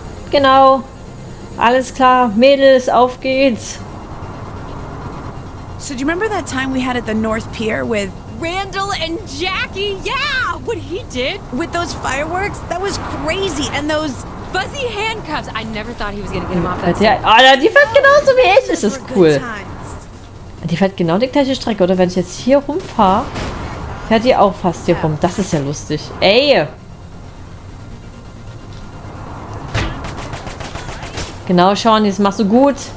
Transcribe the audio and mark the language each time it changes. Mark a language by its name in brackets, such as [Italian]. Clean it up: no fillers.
[German] Genau! Alles klar, Mädels, auf geht's! [English] So, do you remember that time we had at the North Pier with... Randall and Jackie, yeah! What he did? With those fireworks? That was crazy! And those fuzzy handcuffs! I never thought he was gonna get them off that. [German] Oh, ja, die fährt genauso wie ich! Das ist cool! Die fährt genau die gleiche Strecke, oder? Wenn ich jetzt hier rumfahre, fährt die auch fast hier rum. Das ist ja lustig. Ey! Genau, Sean, das machst du gut.